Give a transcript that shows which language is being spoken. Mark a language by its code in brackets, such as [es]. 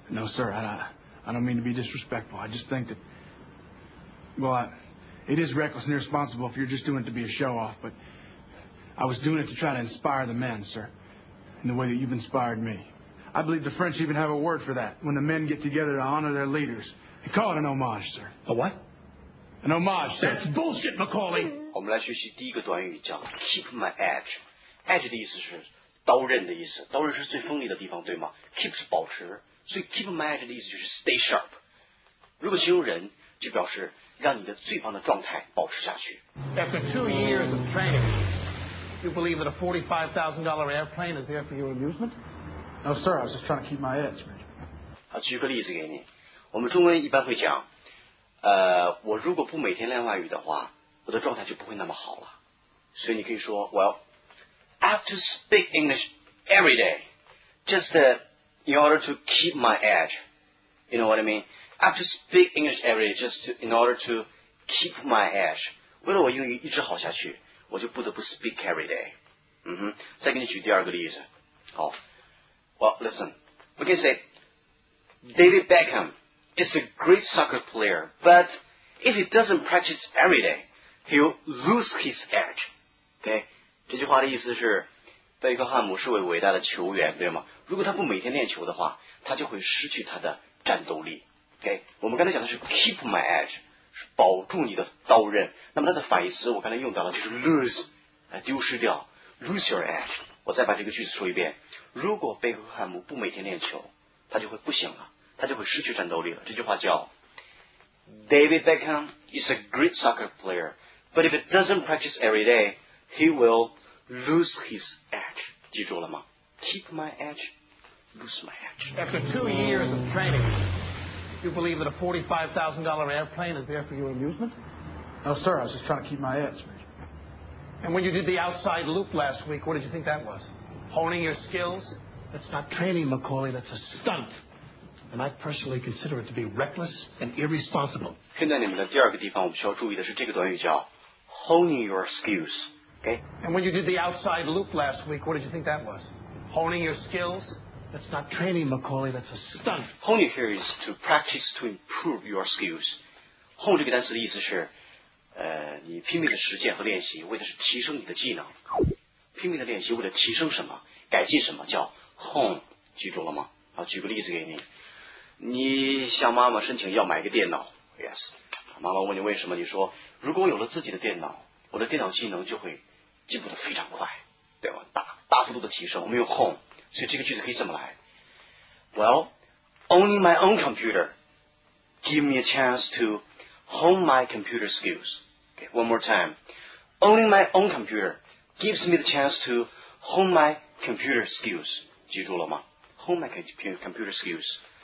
[en] No, sir, I don't mean to be disrespectful. I just think that, it is reckless and irresponsible if you're just doing it to be a show-off, but I was doing it to try to inspire the men, sir, in the way that you've inspired me. I believe the French even have a word for that, when the men get together to honor their leaders. They call it an homage, sir. A what? An homage, sir. That's bullshit, Macaulay! [zh] 我们来学习第一个短语叫 [en] keep my edge. [zh] Edge 的意思是刀刃的意思，刀刃是最锋利的地方，对吗？ Keep 是保持，所以 [en] keep my edge [zh] 的意思就是 [en] stay sharp. [zh] 如果形容人，就表示让你的最棒的状态保持下去。 [en] After 2 years of training, you believe that a $45,000 airplane is there for your amusement? No, sir, I was just trying to keep my edge, Richard. [zh] 好，举个例子给你。我们中文一般会讲，我如果不每天练外语的话，我的状态就不会那么好了。所以你可以说 [en] ，Well, I have to speak English every day, just in order to keep my edge. You know what I mean? I have to speak English every day just to, in order to keep my edge. [zh] 为了我英语一直好下去，我就不得不 [en] speak every day. [zh] 再给你举第二个例子。好。 [en] Well, listen. We can say, David Beckham is a great soccer player, but if he doesn't practice every day, he'll lose his edge. Okay? [zh] 这句话的意思是，贝克汉姆是位伟大的球员，对吗？如果他不每天练球的话，他就会失去他的战斗力。 OK， 我们刚才讲的是 [en] keep my edge， [zh] 是保住你的刀刃。那么它的反义词我刚才用到了，就是 lose， 丢失掉 ， [en] lose your edge。 [zh] 我再把这个句子说一遍：如果贝克汉姆不每天练球，他就会不行了，他就会失去战斗力了。这句话叫 [en] David Beckham is a great soccer player， but if he doesn't practice every day， he will lose his edge。 [zh] 记住了吗 [en] ？Keep my edge， lose my edge。 After 2 years of training。 You believe that a $45,000 airplane is there for your amusement? No, sir. I was just trying to keep my edge, Major. And when you did the outside loop last week, what did you think that was? Honing your skills? That's not training, Macaulay. That's a stunt. And I personally consider it to be reckless and irresponsible. [zh] 现在你们的第二个地方我们需要注意的是这个短语叫 [en] honing your skills. Okay? And when you did the outside loop last week, what did you think that was? Honing your skills? That's not training, Macaulay. That's a stunt. Hone here is to practice to improve your skills. [zh] Hone 这个单词的意思是，你拼命的实践和练习，为的是提升你的技能。拼命的练习为了提升什么，改进什么，叫 hone。记住了吗？好，举个例子给你。你向妈妈申请要买一个电脑。 [en] Yes. [zh] 妈妈问你为什么，你说如果有了自己的电脑，我的电脑技能就会进步的非常快，对吧？大幅度的提升。我们用 hone。所以这个句子可以怎么来 [en] ？Well, owning my own computer give me a chance to hone my computer skills. Okay, one more time. Owning my own computer gives me the chance to hone my computer skills. [zh] 记住了吗 [en] ？Hone my computer skills.